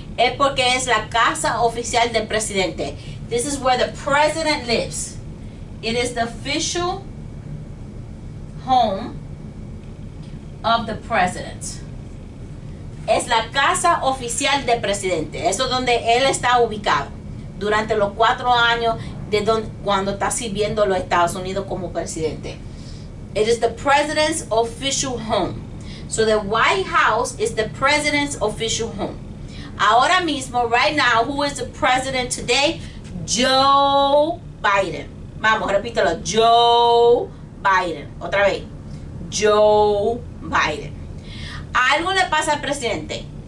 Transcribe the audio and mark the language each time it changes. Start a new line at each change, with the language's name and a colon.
Spanish: Es porque es la casa oficial del presidente.
English: This is where the president lives. It is the official home of the president.
Spanish: Es la casa oficial del presidente. Eso es donde él está ubicado. Durante los 4 años de cuando está sirviendo los Estados Unidos como presidente.
English: It is the president's official home. So the White House is the president's official home.
Spanish: Ahora mismo,
English: right now, who is the president today?
Spanish: Joe Biden. Vamos, repítelo. Joe Biden. Otra vez. Joe Biden. Algo le pasa al presidente.